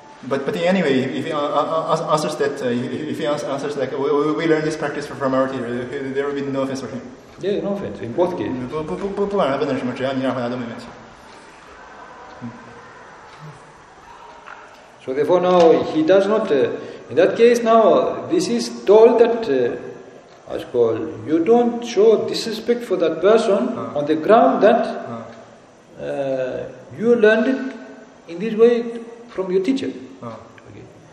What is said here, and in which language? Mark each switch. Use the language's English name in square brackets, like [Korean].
[English] But anyway, if he answers that, if he answers like, we learned this practice from our teacher, there will be no offense for him. Yeah, no offense, in both cases. [Chinese] 不管他问的什么，只要你让回答都没问题。 [English] So therefore now he does not, in that case now, this is told that, you don't show disrespect for that person on the ground that you learned it in this way from your teacher. Okay.